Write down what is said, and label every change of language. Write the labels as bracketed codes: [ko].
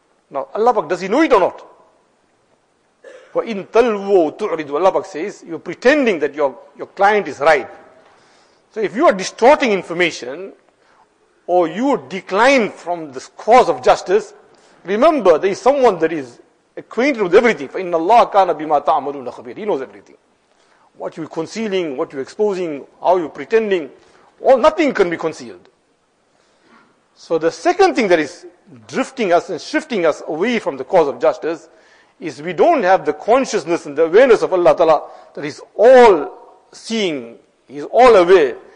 [en] Now, Allah Pak, does he know it or not? [ar] وَإِن تَلْوَوْ تُعْرِدُ [en] Allah Pak says, you're pretending that your client is right. So if you are distorting information, or you decline from the cause of justice, remember there is someone that is acquainted with everything. [ar] فَإِنَّ اللَّهَ كَانَ بِمَا تَعْمَلُونَ خَبِيرٌ [en] He knows everything. What you're concealing, what you're exposing, how you're pretending, all nothing can be concealed. So the second thing that is drifting us and shifting us away from the cause of justice is we don't have the consciousness and the awareness of Allah Ta'ala that is all seeing. He's all aware.